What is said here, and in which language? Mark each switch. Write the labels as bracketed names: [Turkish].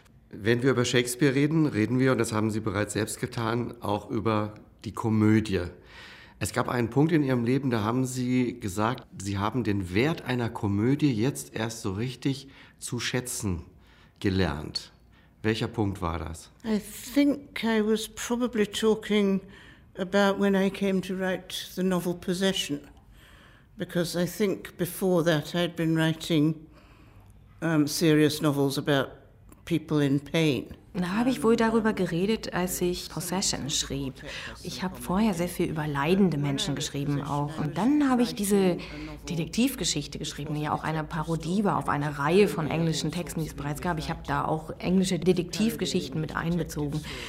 [German] Wenn wir über Shakespeare reden, reden wir, und das haben Sie bereits selbst getan, auch über die Komödie. Es gab einen Punkt in Ihrem Leben, da haben Sie gesagt, Sie haben den Wert einer Komödie jetzt erst so richtig zu schätzen gelernt. Welcher Punkt war das? [English] I think I was probably talking about when I came to write the novel Possession, because I think before that I'd been writing serious novels about people in pain. [German] Da habe ich wohl darüber geredet, als ich Possession schrieb. Ich habe vorher sehr viel über leidende Menschen geschrieben auch. Und dann habe ich diese Detektivgeschichte geschrieben, die ja auch eine Parodie war auf eine Reihe von englischen Texten, die es bereits gab. Ich habe da auch englische Detektivgeschichten mit einbezogen.